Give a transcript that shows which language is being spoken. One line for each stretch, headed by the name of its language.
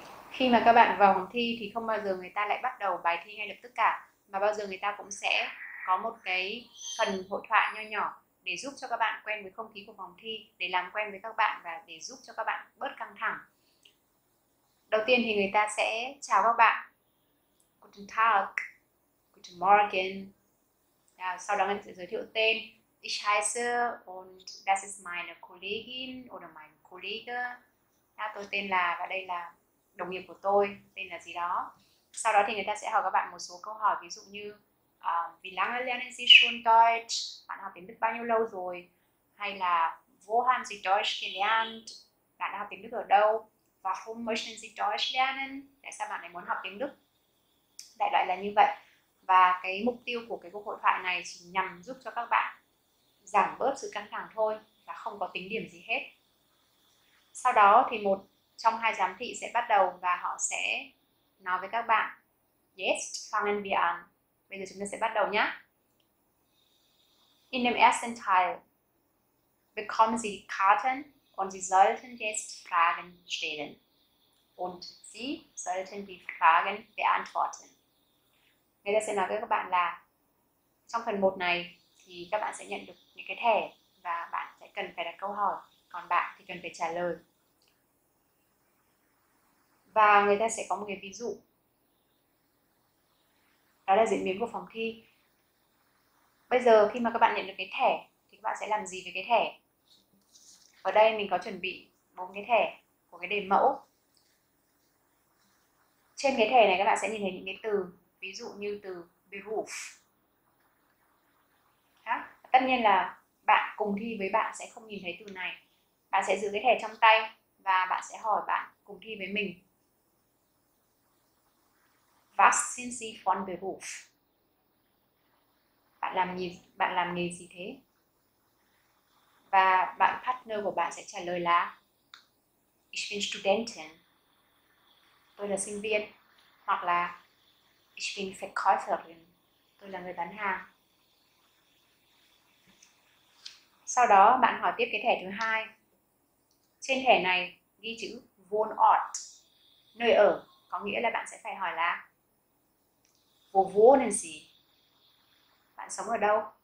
Vietnamese: Khi mà các bạn vào phòng thi thì không bao giờ người ta lại bắt đầu bài thi ngay lập tức cả mà bao giờ người ta cũng sẽ có một cái phần hội thoại nho nhỏ để giúp cho các bạn quen với không khí của phòng thi, để làm quen với các bạn và để giúp cho các bạn bớt căng thẳng. Đầu tiên thì người ta sẽ chào các bạn.
German: Good talk. Good Guten Morgen.
Vietnamese: Ja, sau đó mình sẽ giới thiệu tên.
German: Ich heiße und das ist meine Kollegin oder mein Kollege.
Vietnamese: Ja, tôi tên là và đây là đồng nghiệp của tôi, tên là gì đó. Sau đó thì người ta sẽ hỏi các bạn một số câu hỏi, ví dụ như
German: wie lange lernen Sie schon Deutsch?
Vietnamese: Bạn học tiếng Đức bao nhiêu lâu rồi? Hay là
German: wo haben Sie Deutsch gelernt?
Vietnamese: Bạn học tiếng Đức ở đâu?
German: Warum möchten Sie Deutsch lernen?
Vietnamese: Tại sao bạn lại muốn học tiếng Đức? Đại loại là như vậy. Và cái mục tiêu của cái cuộc hội thoại này chỉ nhằm giúp cho các bạn giảm bớt sự căng thẳng thôi và không có tính điểm gì hết. Sau đó thì một trong hai giám thị sẽ bắt đầu và họ sẽ nói với các bạn.
German: Yes, fangen wir an.
Vietnamese: Bây giờ chúng ta sẽ bắt đầu nhé.
German: In dem ersten Teil bekommen Sie Karten und Sie sollten jetzt Fragen stellen. Und Sie sollten die Fragen beantworten.
Vietnamese: Người ta sẽ nói với các bạn là trong phần 1 này thì các bạn sẽ nhận được những cái thẻ và bạn sẽ cần phải đặt câu hỏi, còn bạn thì cần phải trả lời. Và người ta sẽ có một cái ví dụ. Đó là diễn biến của phòng thi. Bây giờ khi mà các bạn nhận được cái thẻ thì các bạn sẽ làm gì với cái thẻ? Ở đây mình có chuẩn bị 4 cái thẻ của cái đề mẫu. Trên cái thẻ này các bạn sẽ nhìn thấy những cái từ, ví dụ như từ beruf. Đó. Tất nhiên là bạn cùng thi với bạn sẽ không nhìn thấy từ này. Bạn sẽ giữ cái thẻ trong tay và bạn sẽ hỏi bạn cùng thi với mình.
German: Was sind Sie von Beruf?
Vietnamese: Bạn làm nghề gì thế? Và bạn partner của bạn sẽ trả lời là
German: Ich bin Studentin.
Vietnamese: Tôi là sinh viên. Hoặc là
German: Ich bin Verkäuferin.
Vietnamese: Tôi là người bán hàng. Sau đó bạn hỏi tiếp cái thẻ thứ hai. Trên thẻ này ghi chữ Wohnort, nơi ở. Có nghĩa là bạn sẽ phải hỏi là
German: Wo wohnen Sie?
Vietnamese: Bạn sống ở đâu?